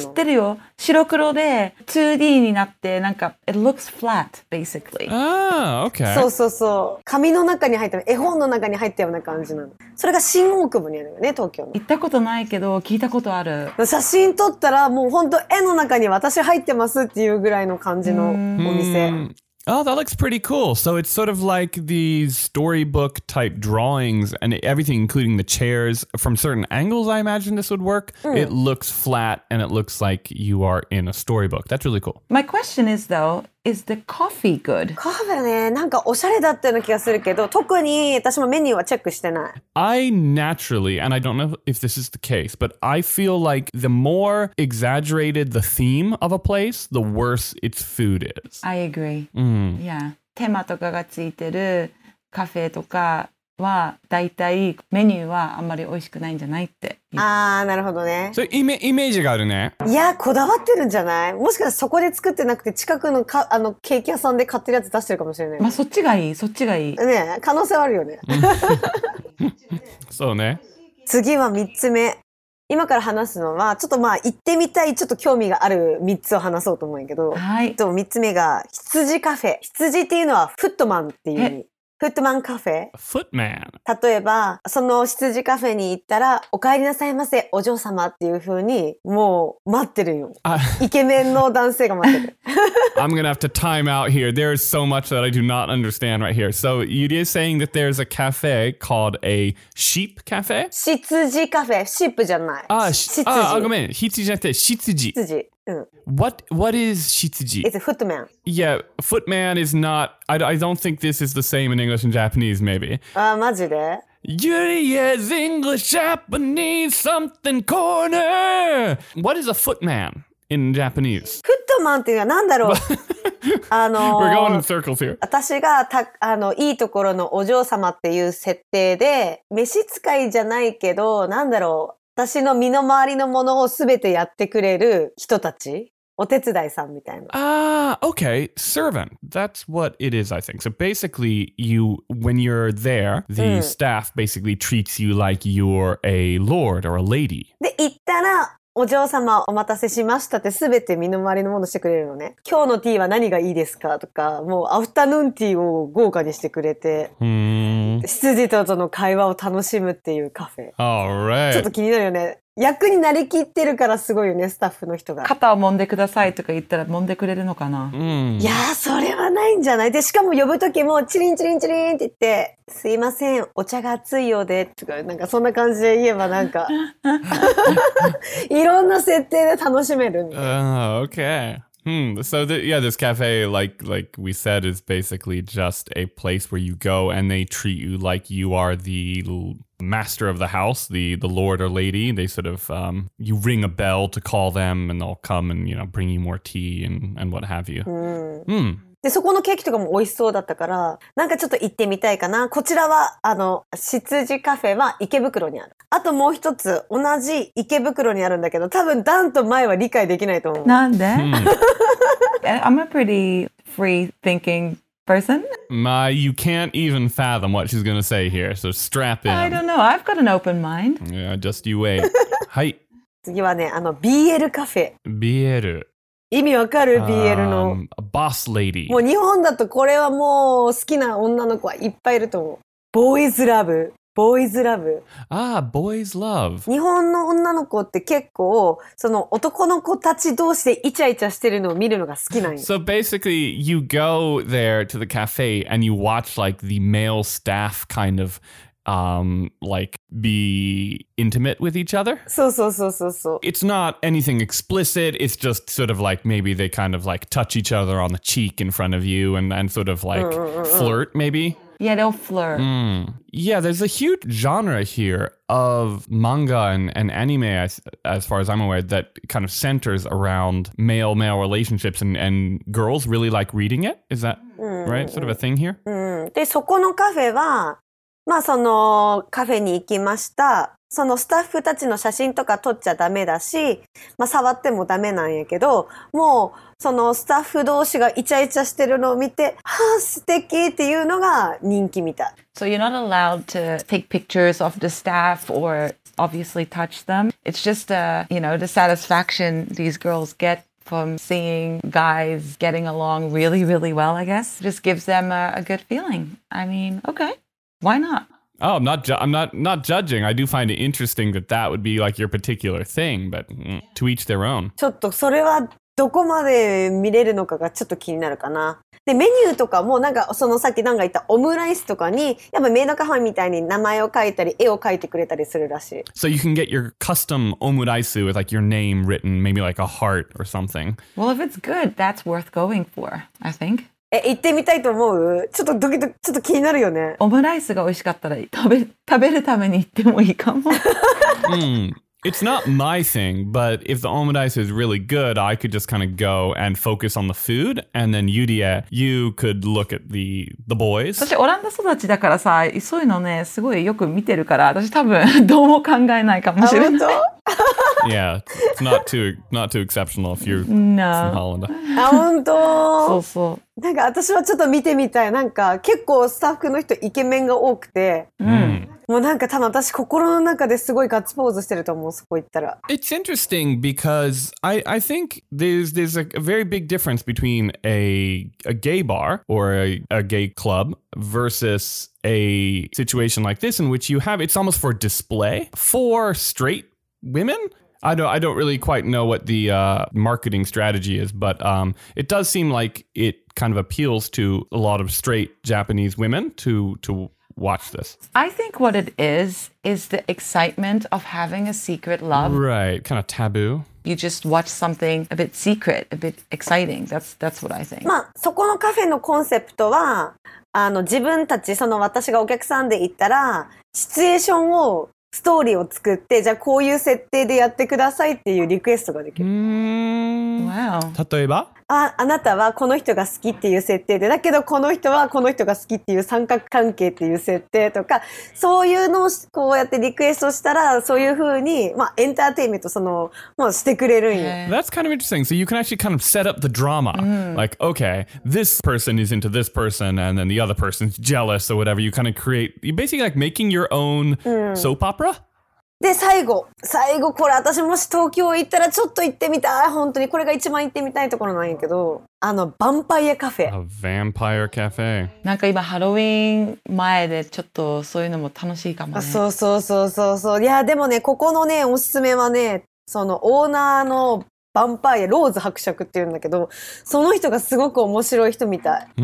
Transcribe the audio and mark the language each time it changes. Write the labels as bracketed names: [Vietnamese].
[Japanese] 知ってるよ。白黒で 2D になって、なんか、 [English] it looks flat, basically. Ah, okay. [Japanese] そう。紙の中に入った、絵本の中に入ったような感じなの。それが新大久保にあるよね、東京の。行ったことないけど、聞いたことある。写真撮ったら、もう本当絵の中に私入ってますっていうぐらいの感じのお店。 [English] Oh, that looks pretty cool. So it's sort of like these storybook type drawings and everything, including the chairs. From certain angles, I imagine this would work. It looks flat and it looks like you are in a storybook. That's really cool. My question is, though, Is the coffee good? [Japanese] カフェね、なんかおしゃれだっていうの気がするけど、特に私もメニューはチェックしてない。 [English] I naturally, and I don't know if this is the case, but I feel like the more exaggerated the theme of a place, the worse its food is. I agree.、Mm. Yeah. [Japanese] テーマとかがついてるカフェとかはだいたいメニューはあんまり美味しくないんじゃないって。あー、なるほどね。そう、イメージがあるね。いや、こだわってるんじゃない？もしかしたらそこで作ってなくて近くのか、あのケーキ屋さんで買ってるやつ出してるかもしれない。まあ、そっちがいい、そっちがいい。ね、可能性はあるよね。そうね。次は3つ目。今から話すのは、ちょっとまあ行ってみたい、ちょっと興味がある3つを話そうと思うんやけど。はい。と3つ目が、羊カフェ。羊っていうのはフットマンっていう意味。フットマンカフェ。フットマン。例えば、その羊カフェに行ったら、お帰りなさいませ、お嬢様っていう風に、もう待ってるよ。イケメンの男性が待ってる。 [English] I'm gonna have to time out here. There is so much that I do not understand right here. So, Yuri is saying that there's a cafe called a sheep cafe? [Japanese] 羊カフェ。シープじゃない。あ、ごめん。羊じゃなくて、羊。羊。 [English] What is shitsuji? It's a footman. Yeah, footman is not... I don't think this is the same in English and Japanese, maybe. [Japanese] Ah, maji de? [English] Yuri is English, Japanese, something corner! What is a footman in Japanese? [Japanese] Footman っていうのは何だろう? [English] We're going in circles here. [Japanese] 私がたあのいいところのお嬢様っていう設定で、召使いじゃないけど、何だろう? 私の身の回りのものをすべてやってくれる人たち、お手伝いさんみたいな。 [English] Okay, servant. That's what it is, I think. So basically, you, when you're there, the、うん、staff basically treats you like you're a lord or a lady. [Japanese] で、行ったら、お嬢様お待たせしましたってすべて身の回りのものしてくれるのね。今日のティーは何がいいですかとか、もうアフタヌーンティーを豪華にしてくれて。うん羊との会話を楽しむっていうカフェ。 [English] All right. [Japanese] ちょっと気になるよね。役になりきってるからすごいよね、スタッフの人が。肩を揉んでくださいとか言ったら揉んでくれるのかな、 mm. いやー、それはないんじゃない?で、しかも呼ぶときもチリンチリンチリンって言って、すいません、お茶が熱いようでとか、なんかそんな感じで言えばなんか、いろんな設定で楽しめるんで。 [English] Okay. Hmm. So, this cafe, like we said, is basically just a place where you go and they treat you like you are the master of the house, the lord or lady. They sort of, you ring a bell to call them and they'll come and, you know, bring you more tea and what have you. Hmm. Hmm. [Japanese] で、そこのケーキとかも美味しそうだったから、なんかちょっと行ってみたいかな。こちらは、あの、羊カフェは池袋にある。あともう一つ、同じ池袋にあるんだけど、多分ダンと前は理解できないと思う。 [English] なんで?I'm a pretty free thinking person. My, you can't even fathom what she's gonna say here, so strap in. I don't know, I've got an open mind. Yeah, just you wait. はい。 [Japanese] 次はね、あの、BL カフェ。 BL。意味わかる BL の、 [English] boss lady。 [Japanese] もう日本だとこれはもう好きな女の子はいっぱいいると思う。 [English] Boys love、boys love。ああ、boys love。 [Japanese] 日本の女の子って結構その男の子たち同士でイチャイチャしてるのを見るのが好きなんよ。 [English] So basically, you go there to the cafe and you watch like the male staff kind of。 Like be intimate with each other. So. It's not anything explicit. It's just sort of like maybe they kind of like touch each other on the cheek in front of you and sort of like flirt maybe. Yeah, they'll flirt. Mm. Yeah, there's a huge genre here of manga and anime as far as I'm aware that kind of centers around male-male relationships and girls really like reading it. Is that right? Sort of a thing here? [Japanese] で、そこのカフェはまあそのカフェに行きました。そのスタッフたちの写真とか撮っちゃダメだし、まあ触ってもダメなんやけど、もうそのスタッフ同士がイチャイチャしてるのを見て、はぁ、素敵っていうのが人気みたい。 [English] So you're not allowed to take pictures of the staff or obviously touch them. It's just a, you know, the satisfaction these girls get. From seeing guys getting along really, really well, I guess. Just gives them a good feeling. I mean, okay, why not? Oh, I'm not judging. I do find it interesting that would be like your particular thing, but to each their own. [Japanese] ちょっとそれはどこまで見れるのかがちょっと気になるかな。で、メニューとかも、なんか、そのさっきなんか言ったオムライスとかに、やっぱメイドカフェみたいに名前を書いたり、絵を書いてくれたりするらしい。 [English] So you can get your custom omuraisu with like your name written, maybe like a heart or something. Well, if it's good, that's worth going for, I think. [Japanese] え、行ってみたいと思う？ちょっとドキドキ、ちょっと気になるよね。オムライスが美味しかったら食べるために行ってもいいかも。 [English] It's not my thing, but if the omuraisu is really good, I could just kind of go and focus on the food, and then Yuria, you could look at the boys. [Japanese] 私オランダ育ちだからさ、そういうのね、すごいよく見てるから、私多分どうも考えないかもしれない。 [English] Yeah, it's not too exceptional if you're no. from Holland. [Japanese] あ、本当。そうそう。なんか私はちょっと見てみたい。なんか結構スタッフの人イケメンが多くて。もうなんか多分私心の中ですごいガッツポーズしてると思う、そこ行ったら。 [English] It's interesting because I think there's a very big difference between a gay bar or a gay club versus a situation like this in which you have, it's almost for display for straight women? I don't really quite know what the marketing strategy is, but it does seem like it kind of appeals to a lot of straight Japanese women to watch this. I think what it is the excitement of having a secret love. Right, kind of taboo. You just watch something a bit secret, a bit exciting. That's what I think. [Japanese] まあ、そこのカフェのコンセプトは、自分たち、その私がお客さんで行ったら、シチュエーションをストーリーを作って、じゃあこういう設定でやってくださいっていうリクエストができる。 [English] Wow. [Japanese] 例えば？あなたはこの人が好きっていう設定で、だけどこの人はこの人が好きっていう三角関係っていう設定とか、そういうのをこうやってリクエストしたら、そういうふうに、まあ、エンターテインメントその、もうしてくれるんよ。 [English] That's kind of interesting. So you can actually kind of set up the drama.、Like, okay, this person is into this person and then the other person's jealous or whatever. You kind of create, you're basically like making your own、soap opera? [Japanese] で、最後これ私もし東京行ったらちょっと行ってみたい、本当にこれが一番行ってみたいところなんやけど、あのヴァンパイアカフェ。 [English] A vampire cafe。 [Japanese] なんか今ハロウィン前でちょっとそういうのも楽しいかもね。そうそうそうそうそう。いやでもね、ここのね、おすすめはね、そのオーナーのヴァンパイア、ローズ伯爵っていうんだけど、その人がすごく面白い人みたい。